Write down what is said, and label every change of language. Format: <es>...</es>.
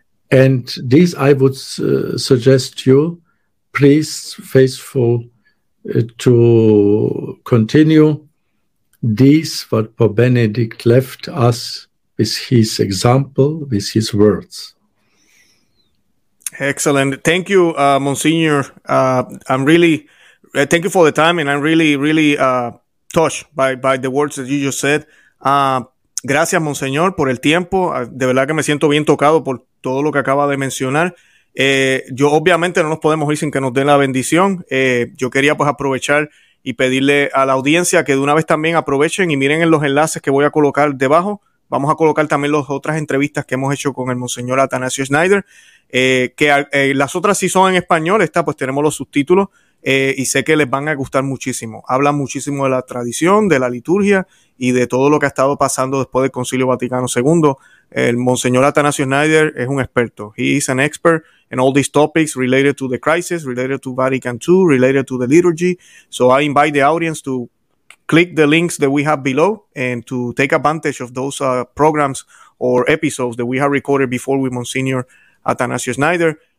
<en>And this I would suggest you, priests, faithful, to continue this, what Pope Benedict left us with his example, with his words. Excellent. Thank you, Monsignor. Thank you for the time, and I'm really, really touched by the words that you just said.</en> <es>Gracias, Monseñor, por el tiempo. De verdad que me siento bien tocado por todo lo que acaba de mencionar. Yo obviamente no nos podemos ir sin que nos den la bendición. Yo quería pues aprovechar y pedirle a la audiencia que de una vez también aprovechen y miren en los enlaces que voy a colocar debajo. Vamos a colocar también las otras entrevistas que hemos hecho con el Monseñor Athanasius Schneider, que las otras sí son en español, esta pues tenemos los subtítulos. y sé que les van a gustar muchísimo. Habla muchísimo de la tradición, de la liturgia y de todo lo que ha estado pasando después del Concilio Vaticano II. El Monseñor Atanasio Schneider es un experto.</es> <en>He is an expert in all these topics related to the crisis, related to Vatican II, related to the liturgy. So I invite the audience to click the links that we have below and to take advantage of those programs or episodes that we have recorded before with Monsignor Atanasio Schneider.</en>